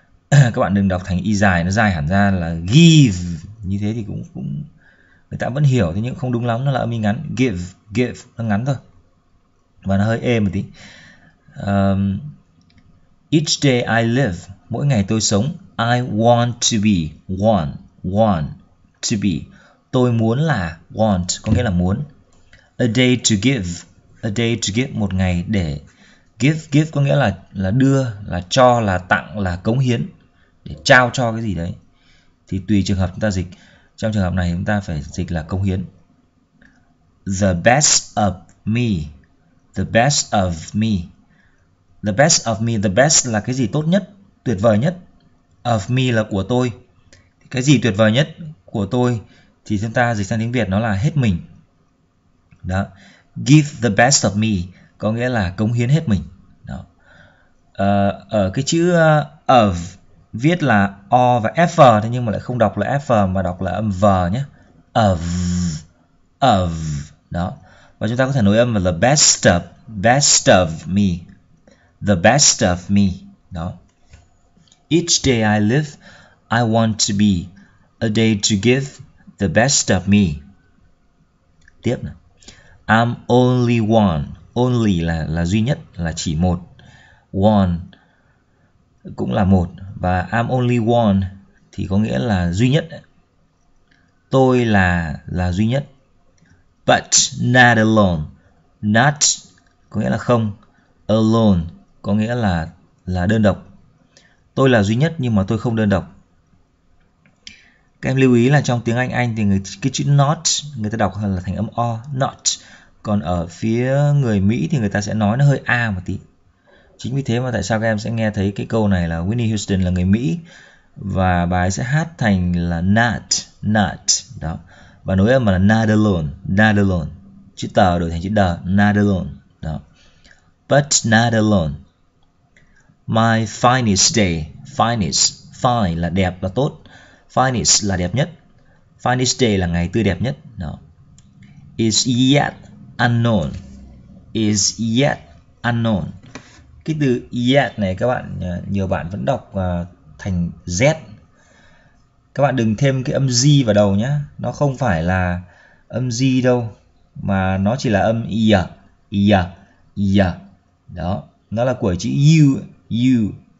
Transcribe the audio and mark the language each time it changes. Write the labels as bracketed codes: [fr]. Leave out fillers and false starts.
[vi] Các bạn đừng đọc thành y dài, nó dài hẳn ra là give. Như thế thì cũng cũng người ta vẫn hiểu, thế nhưng không đúng lắm, nó là âm y ngắn. Give, give, nó ngắn thôi. Và nó hơi ê một tí. [en] Each day I live, [vi] mỗi ngày tôi sống. [en] I want to be, want, want to be. [vi] Tôi muốn là want, có nghĩa là muốn. [en] A day to give, [vi] a day to give, một ngày để. Give, give có nghĩa là đưa, là cho, là tặng, là cống hiến, để trao cho cái gì đấy. Thì tùy trường hợp chúng ta dịch. Trong trường hợp này chúng ta phải dịch là cống hiến. [en] The best of me. The best of me. The best of me. The best [vi] là cái gì tốt nhất, tuyệt vời nhất. Of me là của tôi. Cái gì tuyệt vời nhất của tôi thì chúng ta dịch sang tiếng Việt nó là hết mình. Đó. [en] Give the best of me [vi] có nghĩa là cống hiến hết mình. Đó. Ở cái chữ of viết là O và F, thế nhưng mà lại không đọc là F mà đọc là âm V nhé. Of, of, đó. Và chúng ta có thể nối âm là [en] best of me, the best of me, [vi] đó. [en] Each day I live, I want to be a day to give the best of me. [vi] Tiếp nè. [en] I'm only one. [vi] Only là duy nhất, là chỉ một. One cũng là một. Và [en] I'm only one [vi] thì có nghĩa là duy nhất. Tôi là duy nhất. [en] But not alone. Not [vi] có nghĩa là không. Alone có nghĩa là đơn độc. Tôi là duy nhất nhưng mà tôi không đơn độc. Các em lưu ý là trong tiếng Anh thì cái chữ not người ta đọc là thành âm O, not. Còn ở phía người Mỹ thì người ta sẽ nói nó hơi A một tí. Chính vì thế mà tại sao các em sẽ nghe thấy cái câu này là Whitney Houston là người Mỹ và bà ấy sẽ hát thành là not, not, đó. Và nối âm là [en] not alone, not alone. [vi] Chữ tờ đổi thành chữ đờ, not alone, đó. [en] But not alone. My finest day, finest, fine [vi] là đẹp, là tốt. [en] Finest [vi] là đẹp nhất. Finest day là ngày tươi đẹp nhất, đó. [en] Is yet unknown, is yet unknown. [vi] Cái từ yet này các bạn nhiều bạn vẫn đọc thành z. Các bạn đừng thêm cái âm z vào đầu nhé, nó không phải là âm z đâu mà nó chỉ là âm y y y đó, nó là của chữ u u.